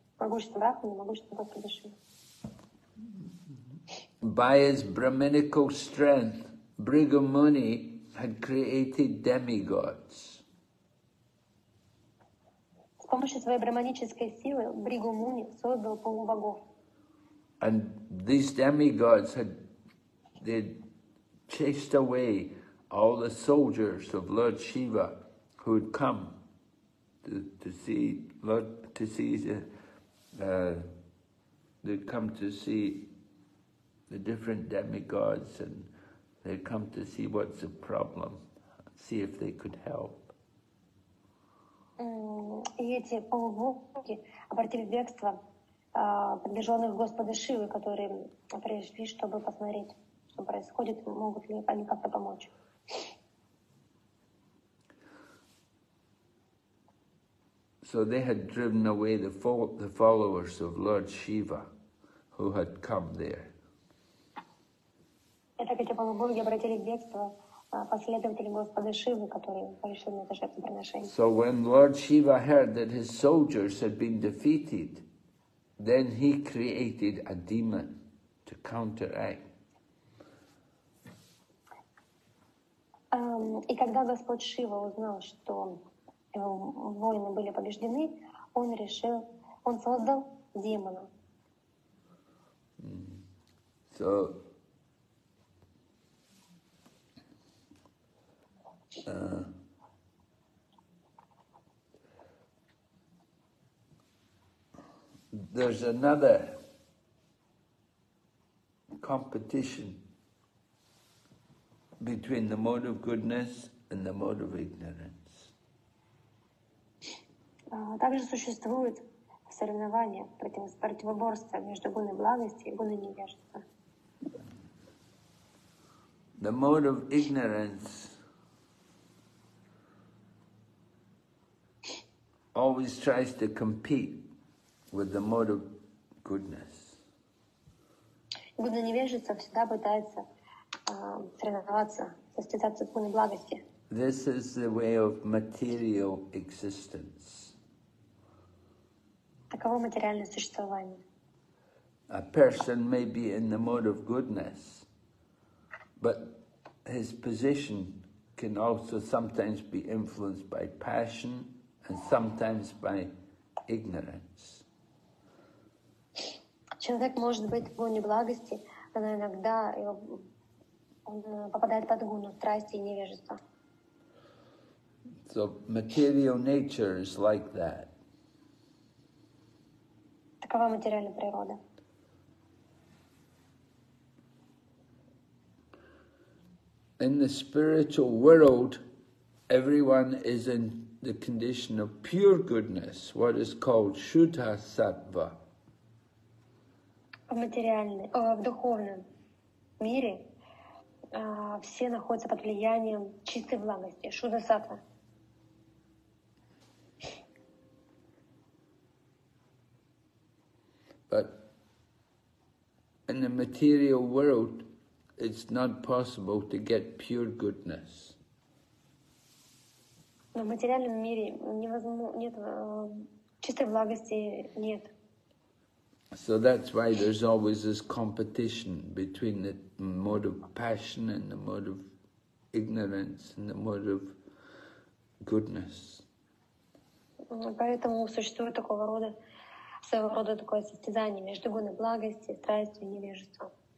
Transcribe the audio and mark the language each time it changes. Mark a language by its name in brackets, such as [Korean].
[Russian] Могущество брахмана, могущество Господа Шивы. [English] By his brahminical strength, Bhrigu Muni had created demigods. [Russian] С помощью своей брахманической силы Бригу Муни создал полубогов. [English] And these demigods had they chased away all the soldiers of Lord Shiva who had come to see the different demigods and they'd come to see what's the problem, see if they could help. [Russian] И эти полубоги обратили в бегство приближенных Господа Шивы, которые пришли, чтобы посмотреть, что происходит, могут ли они как-то помочь. [English] So they had driven away the followers of Lord Shiva, who had come there. [Russian] Итак, эти полубоги обратили в бегство последователи Господа Шивы, которые пришли на это жертвоприношение. [English] So when Lord Shiva heard that his soldiers had been defeated, then he created a demon to counteract. [Russian] И когда Господь Шива узнал, что его воины были побеждены, он создал демона. [English] There's another competition between the mode of goodness and the mode of ignorance. [Russian] Также существует соревнование, противоборство между гуной благости и гуной невежества. [English] The mode of ignorance always tries to compete with the mode of goodness. [Russian] Гуна невежества всегда пытается соревноваться, состязаться в гуне благости. [English] This is the way of material existence. [Russian] Таково материальное существование. [English] A person may be in the mode of goodness, but his position can also sometimes be influenced by passion, and sometimes by ignorance. [Russian] Человек может быть в гуне благости, но иногда он попадает под гуну страсти и невежества. [English] So material nature is like that. [Russian] Такова материальная природа. [English] In the spiritual world, everyone is in the condition of pure goodness, what is called Shuddha Sattva. [Russian] В духовном мире все находятся под влиянием чистой благости, Shuddha Sattva. [English] But in the material world, it's not possible to get pure goodness. [Russian] Но в материальном мире нет чистой благости нет. [English] So that's why there's always this competition between the mode of passion and the mode of ignorance and the mode of goodness. [Russian] Поэтому существует своего рода такое состязание между гуной благости, страстью и невежеством.